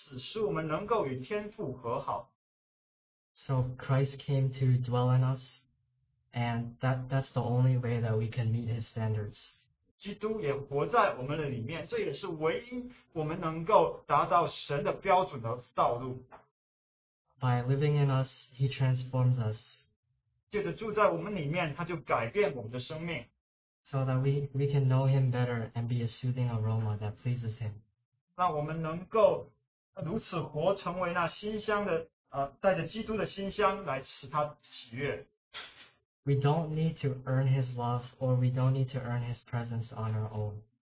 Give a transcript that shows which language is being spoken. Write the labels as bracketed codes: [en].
[zh] 所以神差遣耶稣为我们而死，使我们能够与天父和好。 [en] So Christ came to dwell in us, and that's the only way that we can meet his standards. [zh] 基督也活在我们的里面, 这也是唯一我们能够达到神的标准的道路。 [en] By living in us, he transforms us. [zh] 借着住在我们里面, 他就改变我们的生命。 [en] So that we can know him better and be a soothing aroma that pleases him. [zh] 让我们能够如此活成为那馨香的, 带着基督的馨香来使他喜悦。 [en] We don't need to earn his love, or we don't need to earn his presence on our own.